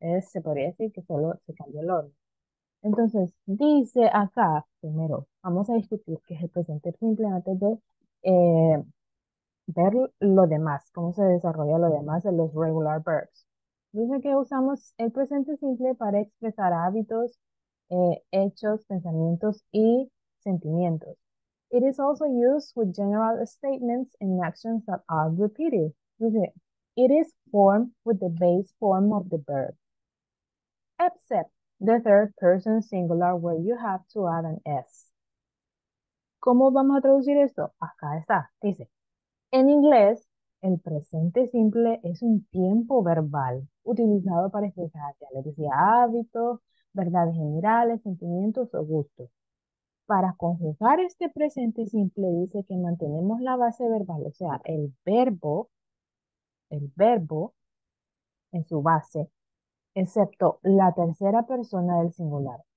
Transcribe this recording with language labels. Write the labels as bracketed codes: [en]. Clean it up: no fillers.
[es] Se podría decir que solo se cambió el orden. Entonces, dice acá, primero, vamos a discutir qué es el presente simple antes de ver lo demás, cómo se desarrolla lo demás de los regular verbs. Dice que usamos el presente simple para expresar hábitos, hechos, pensamientos y sentimientos. [en] It is also used with general statements and actions that are repeated. [es] Dice, [en] it is formed with the base form of the verb. Except the third person singular where you have to add an S. [es] ¿Cómo vamos a traducir esto? Acá está. Dice, en inglés, el presente simple es un tiempo verbal utilizado para expresar, ya les decía, hábitos, verdades generales, sentimientos o gustos. Para conjugar este presente simple, dice que mantenemos la base verbal, o sea, el verbo en su base, excepto la tercera persona del singular.